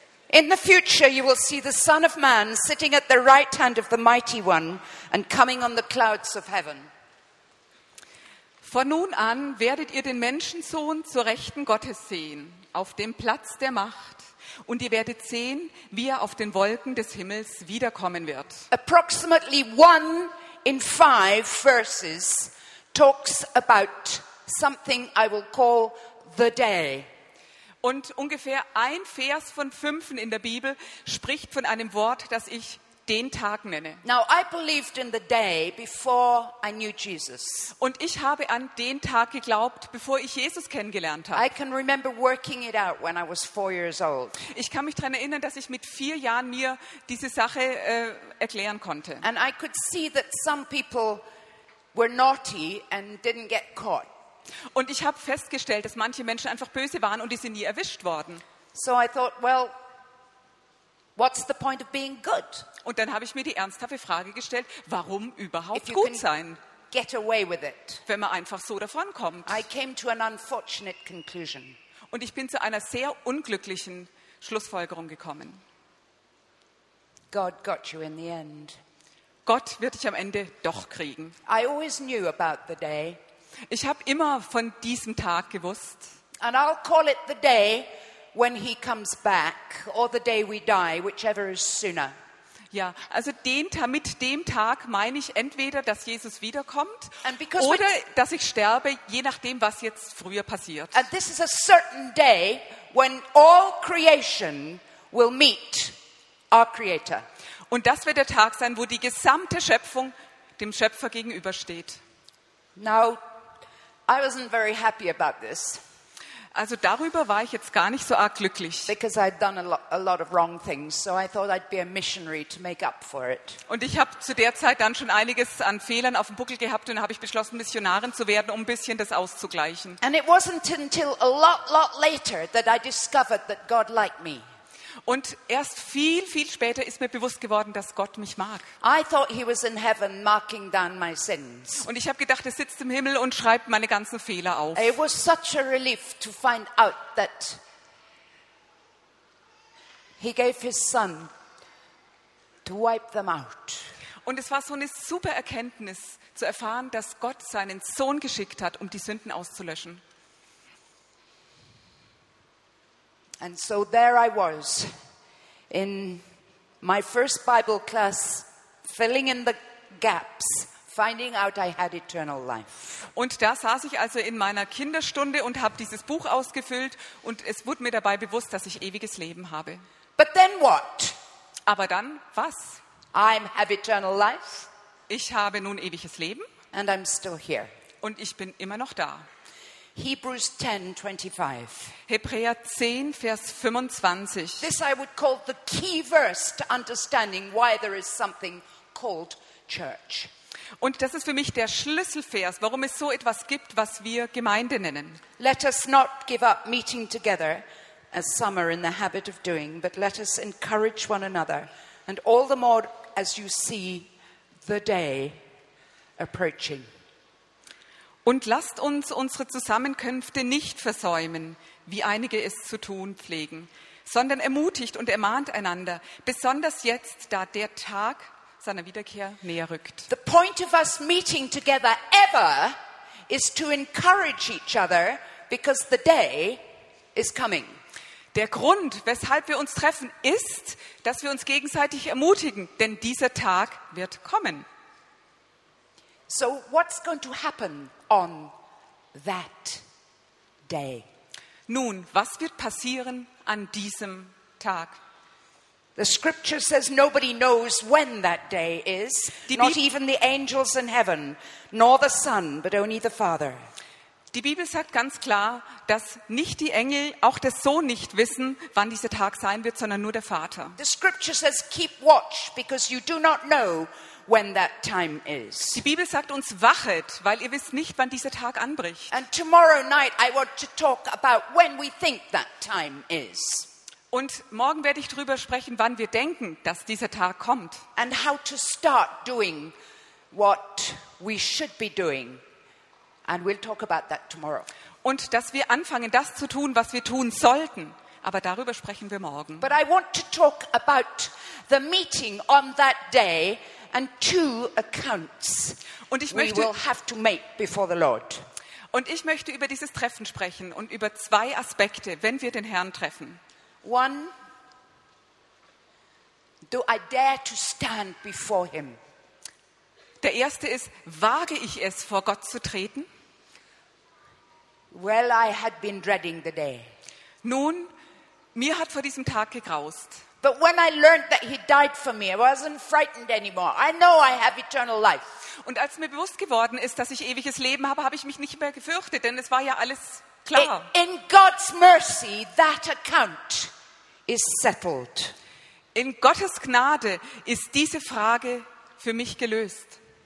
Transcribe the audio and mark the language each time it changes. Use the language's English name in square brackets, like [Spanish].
[English] In the future you will see the Son of Man sitting at the right hand of the Mighty One and coming on the clouds of heaven. [German] Von nun an werdet ihr den Menschensohn zur Rechten Gottes sehen, auf dem Platz der Macht, und ihr werdet sehen, wie er auf den Wolken des Himmels wiederkommen wird. [English] Approximately one in five verses talks about something I will call the day. [German] Und ungefähr ein Vers von fünfen in der Bibel spricht von einem Wort, das ich den Tag nenne. [English] Now I believed in the day before I knew Jesus. [German] Und ich habe an den Tag geglaubt, bevor ich Jesus kennengelernt habe. [English] I can remember working it out when I was 4 years old. [German] Ich kann mich daran erinnern, dass ich mit 4 Jahren mir diese Sache erklären konnte. [English] And I could see that some people were naughty and didn't get caught. [German] Und ich habe festgestellt, dass manche Menschen einfach böse waren und die sind nie erwischt worden. [English] So I thought, well, what's the point of being good? [German] Und dann habe ich mir die ernsthafte Frage gestellt, warum überhaupt gut sein? [English] Get away with it. [German] Wenn man einfach so davonkommt. [English] I came to an unfortunate conclusion. [German] Und ich bin zu einer sehr unglücklichen Schlussfolgerung gekommen. [English] God got you in the end. [German] Gott wird dich am Ende doch kriegen. [English] I always knew about the day. [German] Ich habe immer von diesem Tag gewusst. [English] And I'll call it the day when he comes back or the day we die, whichever is sooner. [German] Ja, also mit dem Tag meine ich entweder, dass Jesus wiederkommt oder dass ich sterbe, je nachdem, was jetzt früher passiert. [English] And this is a certain day when all creation will meet our Creator. [German] Und das wird der Tag sein, wo die gesamte Schöpfung dem Schöpfer gegenübersteht. [English] Now I wasn't very happy about this. [German] Also darüber war ich jetzt gar nicht so arg glücklich. [English] Because I'd done a lot of wrong things, so I thought I'd be a missionary to make up for it. [German] Und ich habe zu der Zeit dann schon einiges an Fehlern auf dem Buckel gehabt und habe ich beschlossen, Missionarin zu werden, um ein bisschen das auszugleichen. [English] And it wasn't until a lot later that I discovered that God liked me. [German] Und erst viel, viel später ist mir bewusst geworden, dass Gott mich mag. [English] I thought he was in heaven marking down my sins. [German] Und ich habe gedacht, er sitzt im Himmel und schreibt meine ganzen Fehler auf. [English] It was such a relief to find out that he gave his son to wipe them out. [German] Und es war so eine super Erkenntnis zu erfahren, dass Gott seinen Sohn geschickt hat, um die Sünden auszulöschen. [English] And so there I was in my first Bible class filling in the gaps, finding out I had eternal life. [German] Und da saß ich also in meiner Kinderstunde und habe dieses Buch ausgefüllt und es wurde mir dabei bewusst, dass ich ewiges Leben habe. [English] But then what? [German] Aber dann was? [English] I have eternal life. [German] Ich habe nun ewiges Leben. [English] And I'm still here. [German] Und ich bin immer noch da. [English] Hebrews 10, 25. [German] Hebräer 10, Vers 25. [English] This I would call the key verse to understanding why there is something called church. [German] Und das ist für mich der Schlüsselvers, warum es so etwas gibt, was wir Gemeinde nennen. [English] Let us not give up meeting together, as some are in the habit of doing, but let us encourage one another, and all the more as you see the day approaching. [German] Und lasst uns unsere Zusammenkünfte nicht versäumen, wie einige es zu tun pflegen, sondern ermutigt und ermahnt einander, besonders jetzt, da der Tag seiner Wiederkehr näher rückt. [English] The point of us meeting together ever is to encourage each other because the day is coming. [German] Der Grund, weshalb wir uns treffen, ist, dass wir uns gegenseitig ermutigen, denn dieser Tag wird kommen. [English] So what's going to happen on that day? [German] Nun, was wird passieren an diesem Tag? [English] The scripture says nobody knows when that day is, not even the angels in heaven, nor the Son, but only the Father. [German] Die Bibel sagt ganz klar, dass nicht die Engel, auch der Sohn nicht wissen, wann dieser Tag sein wird, sondern nur der Vater. [English] The scripture says keep watch because you do not know when that time is. [German] Die Bibel sagt uns, wachet, weil ihr wisst nicht, wann dieser Tag anbricht. [English] And tomorrow night I want to talk about when we think that time is. [German] Und morgen werde ich darüber sprechen, wann wir denken, dass dieser Tag kommt. [English] And how to start doing what we should be doing. And we'll talk about that tomorrow. [German] Und dass wir anfangen, das zu tun, was wir tun sollten. Aber darüber sprechen wir morgen. [English] But I want to talk about the meeting on that day and two accounts we will have to make before the Lord. [German] Und ich möchte über dieses Treffen sprechen und über zwei Aspekte, wenn wir den Herrn treffen. [English] One, do I dare to stand before him? [German] Der erste ist, wage ich es, vor Gott zu treten? [English] Well, I had been dreading the day. [German] Nun, mir hat vor diesem Tag gegraust. [English] But when I learned that he died for me, I wasn't frightened anymore. I know I have eternal life. [German] Und als mir bewusst geworden ist, dass ich ewiges Leben habe, habe ich mich nicht mehr gefürchtet, denn es war ja alles klar. [English] In God's mercy, that account is settled. [German] In Gottes Gnade ist diese Frage für mich gelöst.